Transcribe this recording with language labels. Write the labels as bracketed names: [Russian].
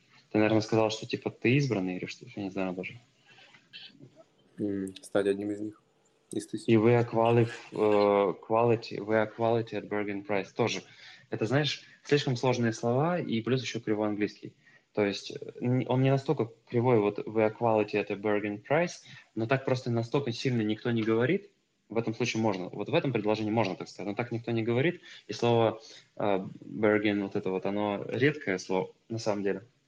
[Russian] Ты, наверное, сказал, что типа ты избранный или что? Я не знаю даже. Стать одним из них. [English] И we are quality at bargain price. [Russian] Тоже. Это, знаешь, слишком сложные слова и плюс еще кривой английский. То есть он не настолько кривой, вот [English] we are quality at a bargain price, [Russian] но так просто настолько сильно никто не говорит. В этом случае можно, вот в этом предложении можно так сказать, но так никто не говорит. И слово bargain, вот это вот, оно редкое слово на самом деле.